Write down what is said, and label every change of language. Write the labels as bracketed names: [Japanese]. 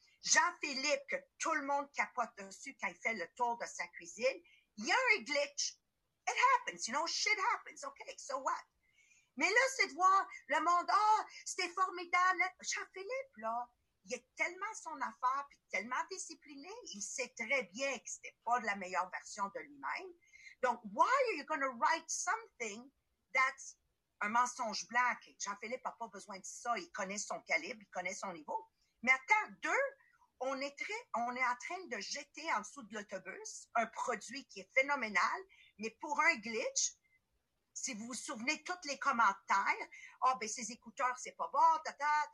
[French] Jean-Philippe, que tout le monde capote dessus quand il fait le tour de sa cuisine, il y a un glitch. [English] It happens, you know, shit happens. Okay, so what? [French] Mais là, c'est de voir le monde, oh, c'était formidable. Jean-Philippe, là, il est tellement son affaire puis tellement discipliné, il sait très bien que c'était pas de la meilleure version de lui-même. [English] Donc, why are you going to write something that's [French] un mensonge blanc? Jean-Philippe n'a pas besoin de ça. Il connaît son calibre, il connaît son niveau. Mais attends, deux, on est en train de jeter en dessous de l'autobus un produit qui est phénoménal, mais pour un glitch, si vous vous souvenez tous les commentaires, ah, ben ces écouteurs, c'est pas bon, tata.